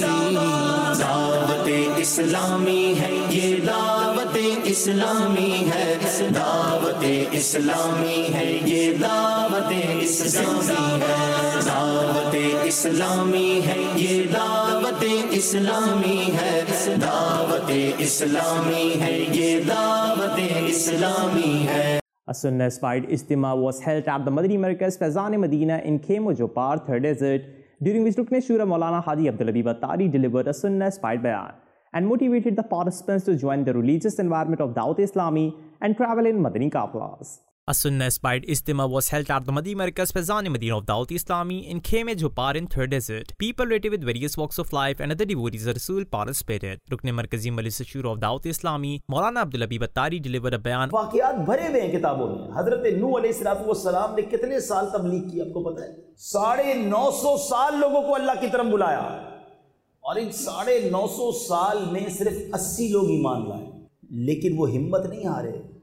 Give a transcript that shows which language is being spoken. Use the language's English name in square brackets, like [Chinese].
[Urdu] دعوت اسلامی ہے یہ دعوت اسلامی ہے دعوت اسلامی ہے یہ دعوت اسلامی ہے دعوت اسلامی ہے یہ دعوت اسلامی ہے دعوت اسلامی ہے یہ دعوت اسلامی ہے [English] A Sunnah-inspired Ijtima was held at the Madani Markaz Faizan-e-Madina in Khemo Jopar, Third Desert, during which Rukn-e-Shura Maulana Haji Abdul Habib Attari delivered a Sunnah-inspired bayan and motivated the participants to join the religious environment of Dawat-e-Islami and travel in Madani Kaplas. A Sunnah-inspired Ijtima was held at the Madani Markaz Faizan-e-Madina of Dawat-e-Islami in Khemo Jopar in Third Desert. People related with various walks of life and other devotees of Rasool participated. Rukn-e-Markazi Majlis-e-Shura of Dawat-e-Islami, Maulana Abdul Habib Attari delivered a bayan. [Urdu] واقعات بھرے ہوئے ہیں کتابوں میں. حضرت نوح علیہ السلام نے کتنے سال تبلیغ کی آپ کو پتہ ہے؟ 950 سال لوگوں کو اللہ کی طرف بلایا اور ان 950 سال میں صرف 80 لوگ ایمان لائے لیکن وہ ہمت نہیں ہارے.